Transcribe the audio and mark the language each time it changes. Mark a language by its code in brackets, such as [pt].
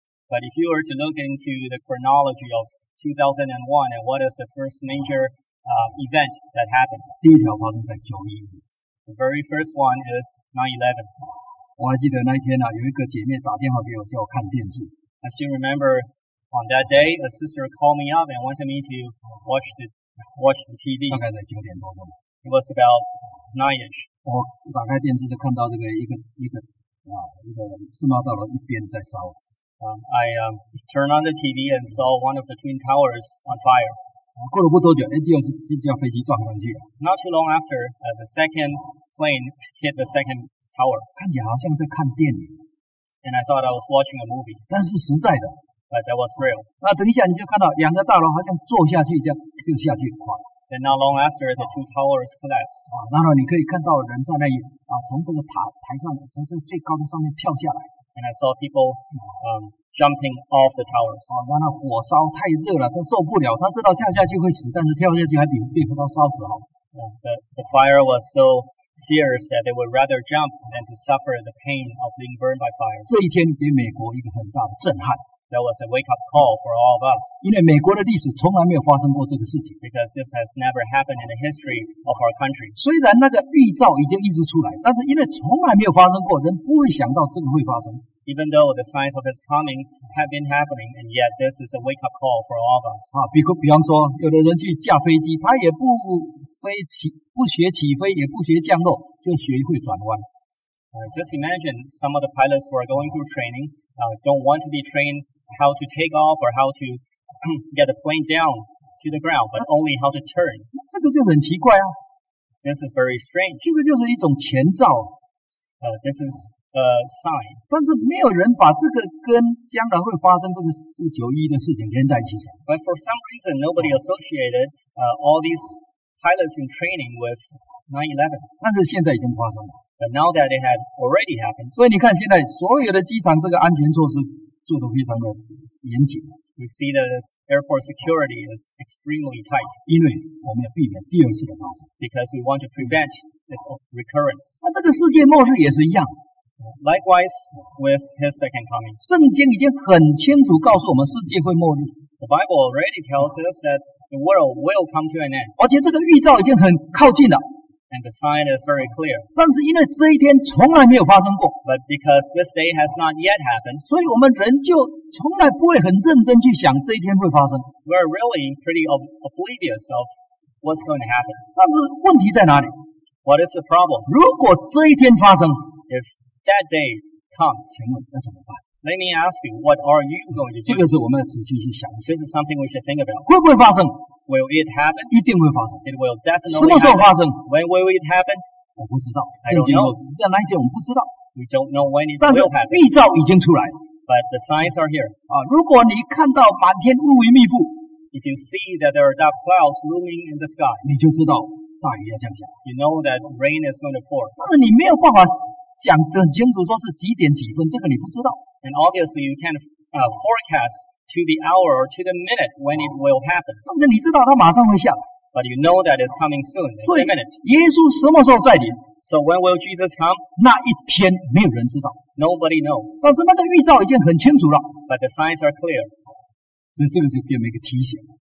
[en] But if you were to look into the chronology of 2001 and what is the first major event that happened? [zh] 第一条发生在911. [en] The very first one is 9/11. [zh] 我还记得那一天啊，有一个姐妹打电话给我叫我看电视。 [en] I still remember on that day, a sister called me up and wanted me to watch theWatch the TV. [zh] 大概在九点多钟。 [en] It was about 9-ish. [zh] 我打开电视就看到这个一个世贸大楼一边在烧。 [en] I turned on the TV and saw one of the Twin Towers on fire. [zh] 过了不多久，第二架飞机撞上去了。 [en] Not too long after, the second plane hit the second tower. [zh] 看起来好像在看电影。 [en] And I thought I was watching a movie. [zh] 但是实在的。 [en] But that was real. [zh] 那等一下你就看到两个大楼好像坐下去这样就下去垮了。 [en] Then not long after, the two towers collapsed. [zh] 然后你可以看到人在那里从这个台上从这个最高的上面跳下来。 [en] And I saw people, jumping off the towers. [zh] 然后火烧太热了他受不了他知道跳下去会死但是跳下去还比被火烧烧死好。 [en] The fire was so fierce that they would rather jump than to suffer the pain of being burned by fire. [zh] 这一天给美国一个很大的震撼。 [en] That was a wake-up call for all of us. [zh] 因为美国的历史从来没有发生过这个事情。 [en] Because this has never happened in the history of our country. [zh] 虽然那个预兆已经一直出来，但是因为从来没有发生过，人不会想到这个会发生。 [en] Even though the signs of its coming have been happening, and yet this is a wake-up call for all of us. [zh] 比方说，有的人去驾飞机，他也不学起飞，也不学降落，就学会转弯。 [en] Just imagine some of the pilots who are going through training, don't want to be trainedhow to take off or how to get a plane down to the ground, but only how to turn. [zh] 这个就很奇怪啊。 [en] This is very strange. [zh] 这个就是一种前兆。 [en] This is a sign. [zh] 但是没有人把这个跟将来会发生这个911的事情连在一起想。 [en] But for some reason, nobody associated, all these pilots in training with 9/11. [zh] 但是现在已经发生了。 [en] But now that it had already happened. [zh] 所以你看现在所有的机场这个安全措施做得非常的严谨。 [en] We see that airport security is extremely tight. [zh] 因为我们要避免第二次的发生。 [en] Because we want to prevent its recurrence. [zh] 那这个世界末日也是一样。 [en] Likewise, with his second coming. [zh] 圣经已经很清楚告诉我们世界会末日。 [en] The Bible already tells us that the world will come to an end. [zh] 而且这个预兆已经很靠近了。 [en] And the sign is very clear. [zh] 但是因为这一天从来没有发生过。 [en] But because this day has not yet happened. [zh] 所以我们人就从来不会很认真去想这一天会发生。 [en] We're really pretty oblivious of what's going to happen. [zh] 但是问题在哪里? [en] What is the problem? [zh] 如果这一天发生, [en] if that day comes, [zh] 请问那怎么办? [en] Let me ask you, what are you going to do? [zh] 这个是我们要仔细去想。 [en] This is something we should think about. [zh] 会不会发生? [en] Will it happen? [zh] 一定会发生。 [en] It will definitely happen. [zh] 什么时候发生? [en] When will it happen? [zh] 我不知道。 [en] I don't know. [zh] 在哪一天我们不知道。 [en] We don't know when it will happen. [zh] 但是预兆已经出来了。 [en] But the signs are here. [zh] 如果你看到满天乌云密布。 [en] If you see that there are dark clouds looming in the sky. [zh] 你就知道大雨要降下。 [en] You know that rain is going to pour. [zh] 但是你没有办法讲得很清楚说是几点几分这个你不知道。 [en] And obviously you can't forecast. To the hour or to the minute when it will happen. [zh] 但是你知道它马上会下来。 [en] But you know that it's coming soon. It's a minute. [zh] 耶稣什么时候再临? [en] So when will Jesus come? [zh] 那一天没有人知道。 [en] Nobody knows. [zh] 但是那个预兆已经很清楚了。 [en] But the signs are clear. [zh] 所以这个就给我们一个提醒。